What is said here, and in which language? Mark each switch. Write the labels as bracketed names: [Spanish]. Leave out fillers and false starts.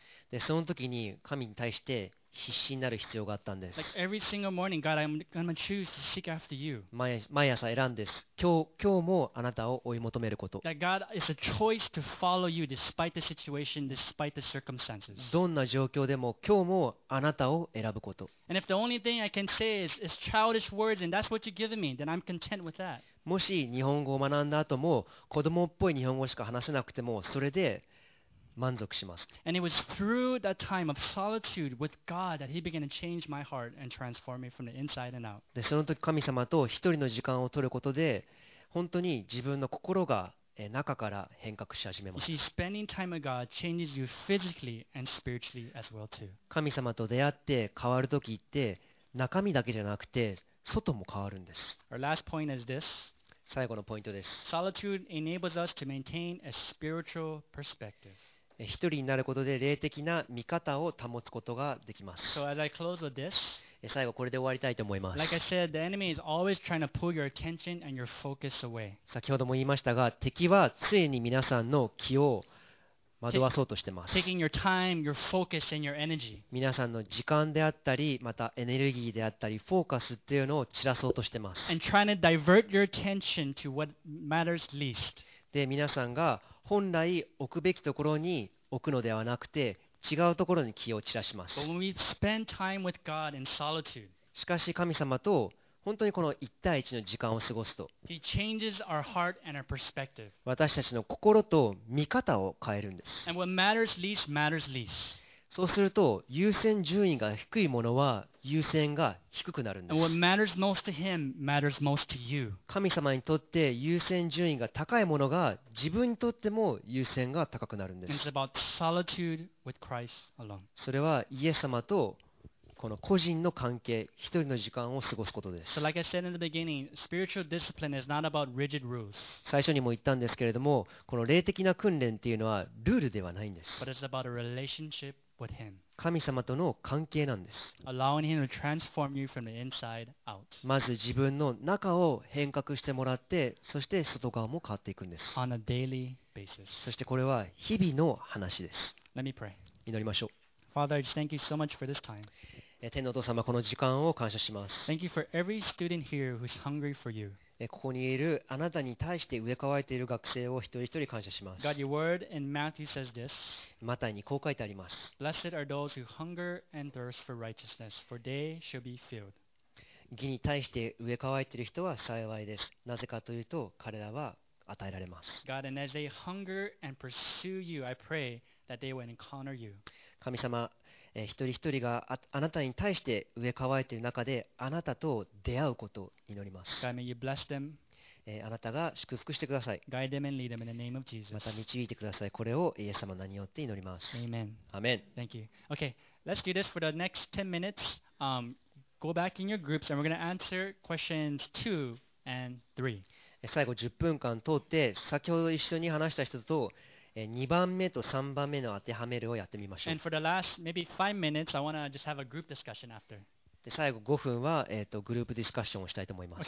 [Japanese] でその時に神に対して必死になる必要があったんです。 [English] Like every single morning, God, I'm gonna choose to seek after you. [Japanese] 毎朝選んです。今日もあなたを追い求めること。 [English] That God is a choice to follow you despite the situation, despite the circumstances. [Japanese] どんな状況でも今日もあなたを選ぶこと。 [English] And if the only thing I can say is childish words and that's what you've given me, then I'm content with that. [Japanese] もし日本語を学んだ後も子供っぽい日本語しか話せなくてもそれで満足します。 [English] And it was through that time of solitude with God that He began to change my heart and transform me from the inside and out. [Japanese] で、その時神様と一人の時間を取ることで本当に自分の心が中から変革し始めました。 [English] You see, spending time with God changes you physically and spiritually as well too. [Japanese] 神様と出会って変わる時って中身だけじゃなくて外も変わるんです。 [English] Our last point is this. [Japanese] 最後のポイントです。 [English] Solitude enables us to maintain a spiritual perspective. [Japanese] 一人になることで霊的な見方を保つことができます。 [English] So as I close with this, [Japanese] 最後これで終わりたいと思います。 [English] Like I said, the enemy is always trying to pull your attention and your focus away. [Japanese] 先ほども言いましたが、敵は常に皆さんの気を惑わそうとしてます。 [English] Taking your time, your focus, and your energy. [Japanese] 皆さんの時間であったりまたエネルギーであったりフォーカスっていうのを散らそうとしてます。 [English] And trying to divert your attention to what matters least. [Japanese] で皆さんが本来置くべきところに置くのではなくて違うところに気を散らします。 [English] But when we spend time with God in solitude, [Japanese] しかし神様と本当にこの1対1の時間を過ごすと [English] He changes our heart and our perspective. [Japanese] 私たちの心と見方を変えるんです。 [English] And what matters least, matters least. [Japanese] そうすると優先順位が低いものは優先が低くなるんです。 [English] And what matters most to him, matters most to you. [Japanese] 神様にとって優先順位が高いものが自分にとっても優先が高くなるんです。 [English] And it's about solitude with Christ alone. [Japanese] それはイエス様とこの個人の関係、一人の時間を過ごすことです。 [English] So like I said in the beginning, spiritual discipline is not about rigid rules. [Japanese] 最初にも言ったんですけれども、この霊的な訓練っていうのはルールではないんです。 [English] But it's about a relationship with him. [Japanese] 神様との関係なんです。 [English] Allowing him to transform you from the inside out. [Japanese] まず自分の中を変革してもらって、そして外側も変わっていくんです。 [English] On a daily basis. [Japanese] そしてこれは日々の話です。 [English] Let me pray. [Japanese] 祈りましょう。 [English] Father, I just thank you so much for this time. [Japanese] 天のお父様、この時間を感謝します。 [English] Thank you for every student here who's hungry for you. [Japanese] ここにいるあなたに対して飢え渇いている学生を一人一人感謝します。 [English] God, your word in Matthew says this. [Japanese] マタイにこう書いてあります。 [English] Blessed are those who hunger and thirst for righteousness, for they shall be filled. [Japanese] 義に対して飢え渇いている人は幸いです。なぜかというと、彼らは与えられます。 [English] God, and as they hunger and pursue you, I pray that they will encounter you. [Japanese] 神様、一人一人が あなたに対して飢え渇いている中であなたと出会うことを祈ります。 [English] God, may you bless them. [Japanese] あなたが祝福してください。 [English] Guide them and lead them in the name of Jesus. [Japanese] また導いてください。これをイエス様の名によって祈ります。 [English] Amen. Amen. Thank you. Okay, let's do this for the next 10 minutes. Go back in your groups and we're going to answer questions 2 and 3. [Japanese] 最後10分間通って先ほど一緒に話した人と2番目と3番目の当てはめるをやってみましょう。 [English] And for the last maybe 5 minutes, I want to just have a group discussion after. [Japanese] で最後5分は、グループディスカッションをしたいと思います。